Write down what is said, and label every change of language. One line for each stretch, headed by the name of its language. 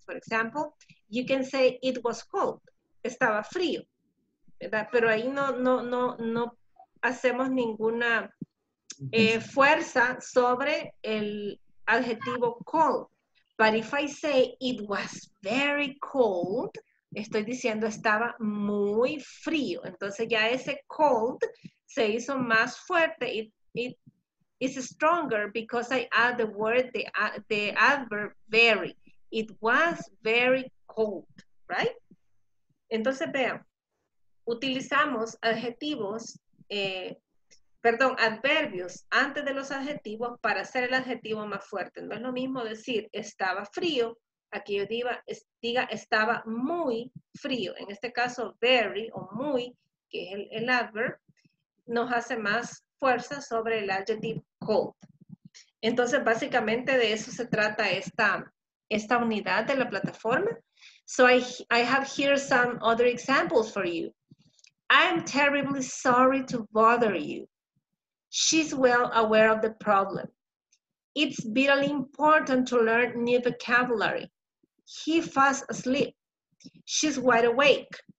English: For example, you can say it was cold.
Spanish: Estaba frío, ¿verdad? Pero ahí no hacemos ninguna fuerza sobre el adjetivo cold.
English: But if I say it was very cold,
Spanish: estoy diciendo estaba muy frío. Entonces ya ese cold se hizo más fuerte.
English: It is stronger because I add the word, the adverb very. It was very cold, right?
Spanish: Entonces, vean, utilizamos adjetivos, adverbios antes de los adjetivos para hacer el adjetivo más fuerte. No es lo mismo decir estaba frío, aquí yo diga estaba muy frío. En este caso, very o muy, que es el adverb, nos hace más fuerza sobre el adjetivo cold. Entonces, básicamente de eso se trata esta unidad de la plataforma.
English: So I have here some other examples for you. I am terribly sorry to bother you. She's well aware of the problem. It's vitally important to learn new vocabulary. He falls asleep. She's wide awake.